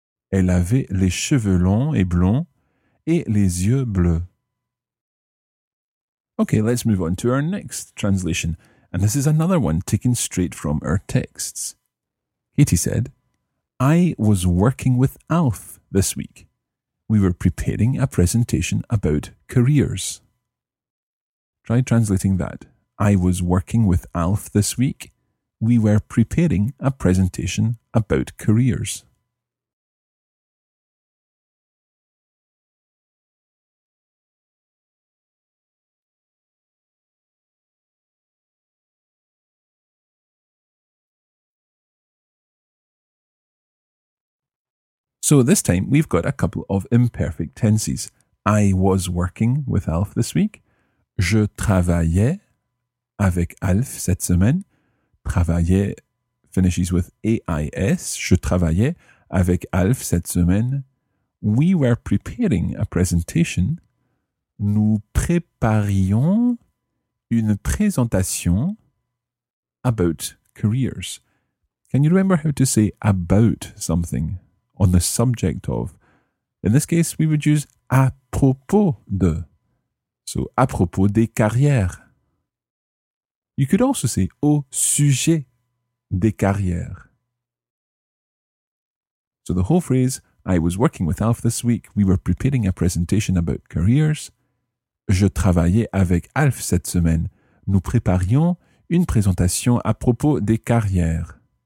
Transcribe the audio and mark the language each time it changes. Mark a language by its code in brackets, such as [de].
[fr] Elle avait les cheveux longs et blonds, et les yeux bleus. [en] Okay, let's move on to our next translation. And this is another one taken straight from our texts. Katie said, I was working with Alf this week. We were preparing a presentation about careers. Try translating that. I was working with Alf this week. We were preparing a presentation about careers. So this time we've got a couple of imperfect tenses. I was working with Alf this week. [fr] Je travaillais avec Alf cette semaine. Travailler [en] finishes with A-I-S. [fr] Je travaillais avec Alf cette semaine. [en] We were preparing a presentation. [fr] Nous préparions une présentation [en] about careers. Can you remember how to say about something? On the subject of. In this case, we would use [fr] à propos de. So, à propos des carrières. [en] You could also say [fr] au sujet des carrières. [en] So, the whole phrase, I was working with Alf this week. We were preparing a presentation about careers. [fr] Je travaillais avec Alf cette semaine. Nous préparions une présentation à propos des carrières.